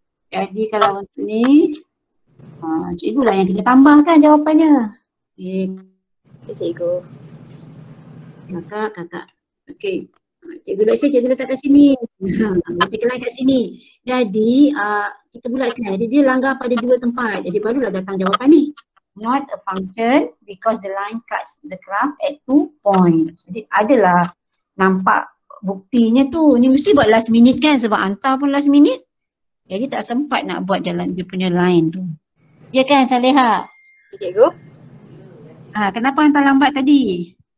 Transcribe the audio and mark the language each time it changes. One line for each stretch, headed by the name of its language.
Malay: Jadi kalau untuk ni, cikgu lah yang kena tambahkan jawapannya. Okay. Cikgu. Kakak, kakak. Okay. Cikgu letak sini, cikgu letak kat sini. Vertical line kat sini. Jadi, kita bulatkan. Jadi dia langgar pada dua tempat. Jadi barulah datang jawapan ni.
English: Not a function because the line cuts the graph at two points.
Malay: Jadi adalah nampak buktinya tu. Ni mesti buat last minute kan sebab hantar pun last minute. Jadi tak sempat nak buat jalan dia punya line tu. Ya kan Saleha? Cikgu. Kenapa hantar lambat tadi?